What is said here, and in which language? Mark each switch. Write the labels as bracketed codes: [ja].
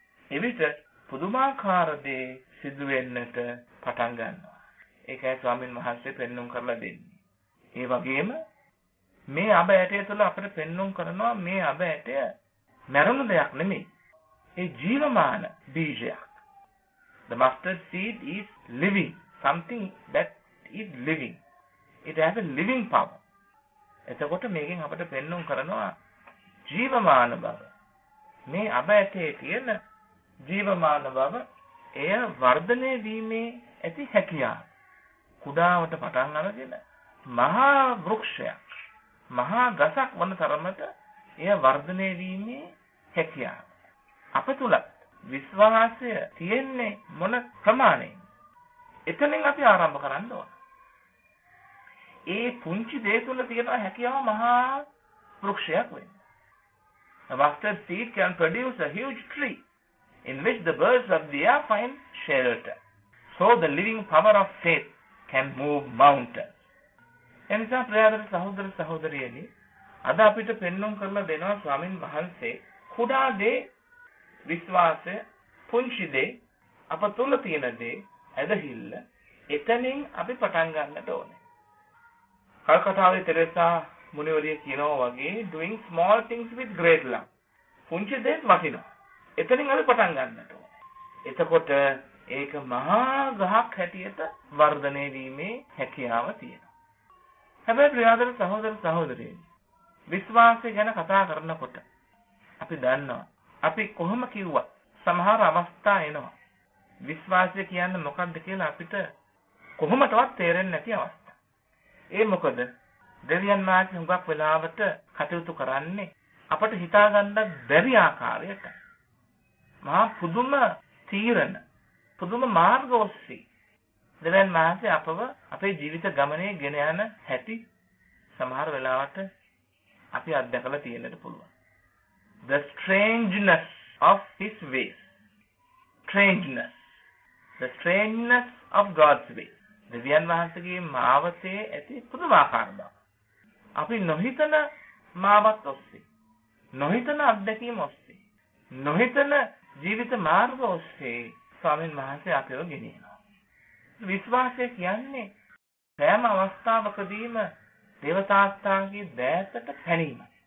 [si] එවිට පුදුමාකාර දේ සිදු වෙන්නට පටන් ගන්නවා. ඒකයි ස්වාමීන් වහන්සේ පෙන්නුම් කරලා දෙන්නේ. ඒ වගේම මේ අබ ඇටය තුළ අපිට පෙන්නුම් කරනවා මේ අබ ඇටය මැරුණු දෙයක් නෙමෙයි. ඒ ජීවමාන බීජයක්. [en] The mustard seed is living. Something that is living. It has a living power. [si] එතකොට මේකෙන් අපිට පෙන්නුම් කරනවා ජීවමාන බව. මේ අබ ඇටේ තියෙන ජීවමාන බව එය වර්ධනය වීමේ ඇති හැකියාව. කුඩාවට පටන් අරගෙන මහා වෘක්ෂයක් මහා ගසක් වන තරමට එය වර්ධනය වීමේ හැකියාව. අප තුල විශ්වාසය තියෙන්නේ මොන ප්‍රමාණයෙන්? එතනින් අපි ආරම්භ කරන්න ඕන. ඒ පුංචි දේ තුල තියෙන හැකියාව මහා වෘක්ෂයක් වෙන්න. [en] A mustard seed can produce a huge tree in which the birds of the air find shelter. So the living power of faith can move mountains. [si] එනිසා ප්‍රියදර සහෝදර සහෝදරියනි, අද අපිට පෙන්වන්න කරලා දෙනවා ස්වාමින් වහන්සේ කුඩා දේ විශ්වාසය පුංචි දේ අප තුල තියෙන දේ ඇදහිල්ල එතනින් අපි පටන් ගන්නට ඕනේ. කල්කටාවේ තෙරසා මුනිවරිය කියනවා වගේ [en] doing small things with great love. [si] පුංචි දේත් වටිනවා. එතනින් අපි පටන් ගන්නට ඕනේ. එතකොට ඒක මහා ගහක් හැටියට වර්ධනය වීමේ හැකියාව තියෙනවා. හැබැයි ප්‍රියදර සහෝදර සහෝදරියනි, විශ්වාසය ගැන කතා කරනකොට අපි දන්නවා අපි කොහොම කිව්වත් සමහර අවස්ථා එනවා. විශ්වාසය කියන්නේ මොකක්ද කියලා අපිට කොහොමදවත් තේරෙන්නේ නැති අවස්ථා. ඒ මොකද දෙවියන් මාත් හුඟක් වෙලාවට කටයුතු කරන්නේ අපට හිතාගන්න බැරි ආකාරයට. මහා පුදුම තීරණ, පුදුම මාර්ග ඔස්සේ දෙවියන් මාත්‍ය අපව අපේ ජීවිත ගමනේ ගෙන යන හැටි සමහර වෙලාවට අපි අත්දැකලා තියෙන්නට පුළුවන්. [en] The strangeness of his ways. Strangeness. The strangeness of God's ways. [si] දෙවියන් වහන්සේගේ මාවතේ ඇති පුදුමාකාර බව. අපි නොහිතන මාවත් ඔස්සේ. නොහිතන අත්දැකීම් ඔස්සේ. නොහිතන ජීවිත මාර්ග ඔස්සේ ස්වාමීන් වහන්සේ අපව ගෙනියනවා. විශ්වාසය කියන්නේ සෑම අවස්ථාවකදීම දේවතාත්තාගේ දෑතට පැනීම.